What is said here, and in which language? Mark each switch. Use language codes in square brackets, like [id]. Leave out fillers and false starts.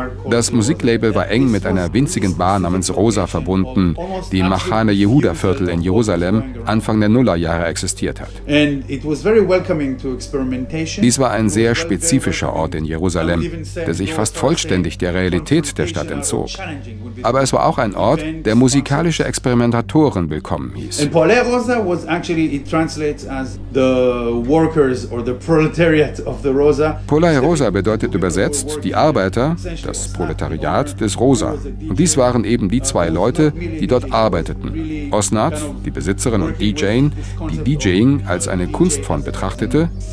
[de] Das Musiklabel war eng mit einer winzigen Bar namens Rosa verbunden, die im Machane Yehuda Viertel in Jerusalem Anfang der Nullerjahre existiert hat. Dies war ein sehr spezifischer Ort in Jerusalem, der sich fast vollständig der Realität der Stadt entzog. Aber es war auch ein Ort, der musikalische Experimentatoren willkommen hieß. [en] Pole Rosa was actually it translates as the workers or the proletariat of the Rosa. [de] Pole Rosa bedeutet übersetzt die Arbeiter, das Proletariat des Rosa. Und dies waren eben die zwei Leute, die dort arbeiteten. Osnat, die Besitzerin und DJing, die DJing als eine Kunstform betrachtete.